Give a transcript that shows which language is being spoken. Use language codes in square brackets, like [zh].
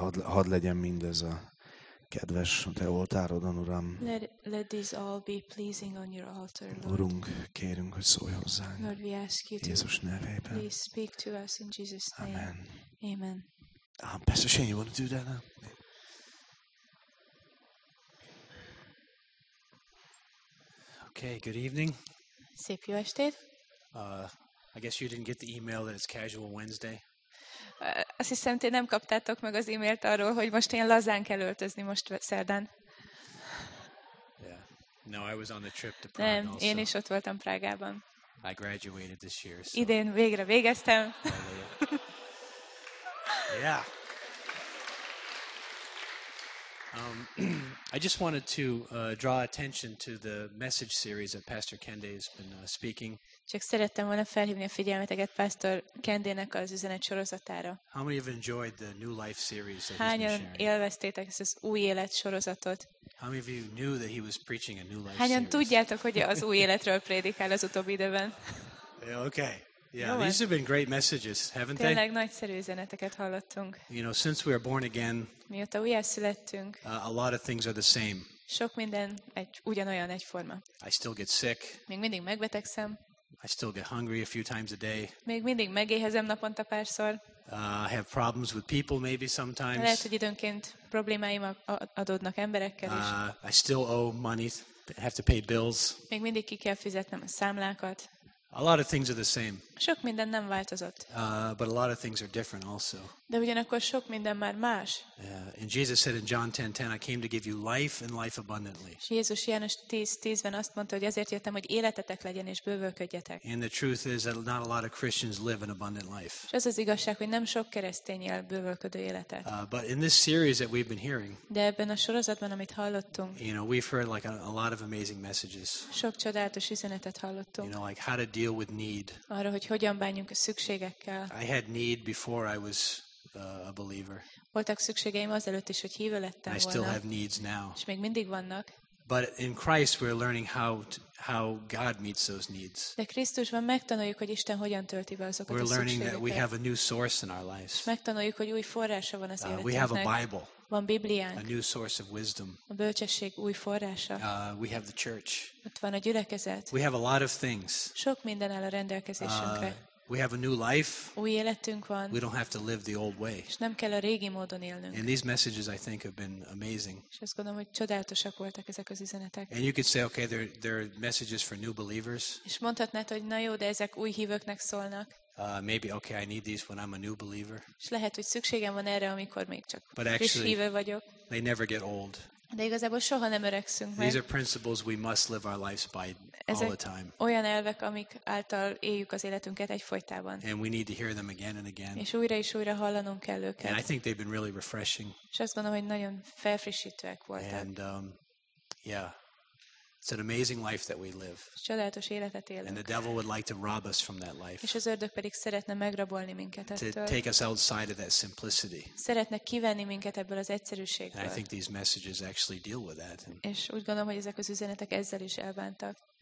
[hu] Hadd legyen mindez a kedves a te oltárodon, Uram. [en] Let this all be pleasing on your altar, Lord. [hu] Urunk, kérünk, hogy szólj hozzánk. [en] Lord, we ask you [hu] Jézus [en] to [hu] nevében. [en] Please speak to us in Jesus' name. Amen. Amen. Pastor Shane, you want to do that now? Okay, good evening. [hu] Szép jó estét. [en] I guess you didn't get the email that it's casual Wednesday. [hu] Azt hiszem, ti nem kaptátok meg az e-mailt arról, hogy most én lazán kell öltözni most szerdán. [en] Yeah. No, I was on the trip to Prague. [hu] Nem, [en] also. [hu] Én is ott voltam Prágában. [en] I graduated this year. So. [hu] Idén végre végeztem. [en] Yeah. I just wanted to draw attention to the message series that Pastor Kende has been speaking. [hu] Csak szerettem volna felhívni a figyelmeteket Pastor Kendének az üzenet sorozatára. [en] How many have enjoyed the New Life series that [hu] hányan [en] he's been sharing? [hu] Hányan élveztétek ezt az új élet sorozatot? [en] How many of you knew that he was preaching a New Life series? [hu] Hányan tudjátok, hogy az új életről prédikál az utóbbi időben? [en] Yeah, okay. Yeah, these have been great messages, haven't [hu] tényleg [en] they? [hu] Tényleg nagyszerű üzeneteket hallottunk. [en] You know, since we are born again, [hu] mióta újjászülettünk, [en] a lot of things are the same. [hu] Sok minden egy ugyanolyan egyforma. [en] I still get sick. [hu] Még mindig megbetegszem. [en] I still get hungry a few times a day. [hu] Még mindig megéhezem naponta párszor. [en] I have problems with people maybe sometimes. [hu] Lehet, hogy időnként problémáim adódnak emberekkel is. [en] I still owe money, have to pay bills. [hu] Még mindig ki kell fizetnem a számlákat. [en] A lot of things are the same. [hu] Sok minden nem változott. [en] But a lot of things are different also. [hu] De ugyanakkor sok minden már más. [en] And Jesus said in John 10:10, I came to give you life and life abundantly. [hu] Jézus János 10:10-ben azt mondta, hogy ezért jöttem, hogy életetek legyen és bővölködjetek. [en] And the truth is that not a lot of Christians live an abundant life. [hu] És az az igazság, hogy nem sok keresztény él bővölködő életet. [en] But in this series that we've been hearing. [hu] De ebben a sorozatban, amit hallottunk. [en] You know, we've heard like a lot of amazing messages. [hu] Sok csodálatos üzenetet hallottunk. [en] You know, like how to deal with need. [hu] Arra, hogy hogyan bánjunk a szükségekkel. [en] I had need before I was a believer. [hu] Voltak szükségeim azelőtt is, hogy hívő lettem volna. [en] I still have needs now. [hu] És még mindig vannak. [en] But in Christ we're learning how God meets those needs. [hu] De Krisztusban megtanuljuk, hogy Isten hogyan tölti be azokat a szükségeket. [en] We're learning that we have a new source in our lives. [hu] Megtanuljuk, hogy új forrása van az életünknek. [en] We have a Bible. [hu] Van Bibliánk. [en] A new source of wisdom. [hu] A bölcsesség új forrása. [en] We have the church. [hu] Ott van a gyülekezet. [en] We have a lot of things. [hu] Sok minden áll a rendelkezésünkre. [en] We have a new life. [hu] Új életünk van. [en] We don't have to live the old way. [hu] És nem kell a régi módon élnünk. [en] And these messages I think have been amazing. [hu] És azt gondolom, hogy csodálatosak voltak ezek az üzenetek. [en] And you could say, okay, they're messages for new believers. [hu] És mondhatnád, hogy na jó, de ezek új hívőknek szólnak. [en] Maybe okay, I need these when I'm a new believer. [hu] És lehet, hogy szükségem van erre, amikor még csak friss hívő vagyok. [en] They never get old. [hu] De igazából soha nem öregszünk meg. [en] These are principles we must live our lives by all the time. [hu] Olyan elvek, amik által éljük az életünket egyfolytában. [en] And we need to hear them again and again. [hu] És újra és újra hallanunk kell őket. [en] And I think they've been really refreshing. [hu] És azt gondolom, hogy nagyon felfrissítőek voltak. [en] And it's an amazing life that we live. [hu] Csodálatos életet élünk. [en] And the devil would like to rob us from that life. [hu] És az ördög pedig szeretne megrabolni minket ettől. [en] To take us outside of that simplicity. [hu] Szeretne kivenni minket ebből az egyszerűségből. [en] And I think these messages actually deal with that. [hu] És úgy gondolom, hogy ezek az üzenetek ezzel is elbántak.